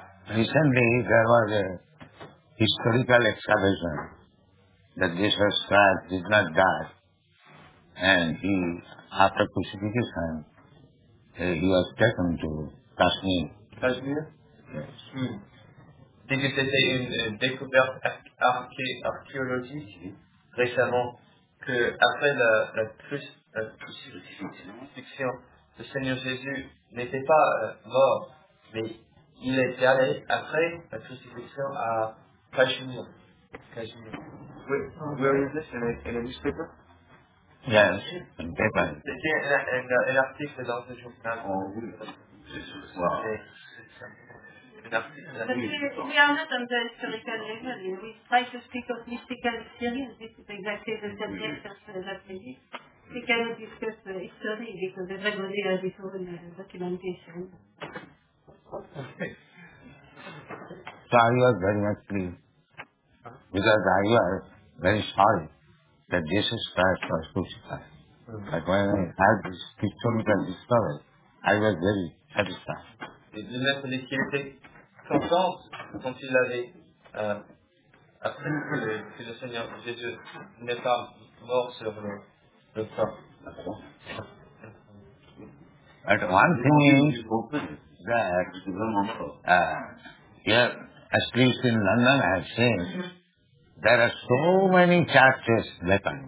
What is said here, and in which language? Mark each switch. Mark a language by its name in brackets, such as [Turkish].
[English] Recently there was a historical excavation that Jesus Christ did not die, and he, after crucifixion, he was taken to Kashmir. Kashmir? Yes. Hmm. [French] Dès que c'était une découverte archéologique récemment, que après la crucifixion, le Seigneur Jésus n'était pas mort, mais il était allé après la crucifixion à Kashmir. Kashmir. [English] Where is this? In a newspaper? Yes, in paper. [French] C'était un article dans le journal. Oh, oui. Wow. [English] We are not on the historical level. We try to speak of mystical theories. This is exactly the subject that we need. We cannot discuss the history because everybody has his own documentation. Sorry, I was very much pleased. Because I was very sorry that Jesus Christ was crucified. But when I had this historical discovery, I was very satisfied. [French] Contente quand il avait appris que le Seigneur Jésus n'est pas mort sur le sang. [English] But one thing is that here, at least in London, I have seen there are so many churches left.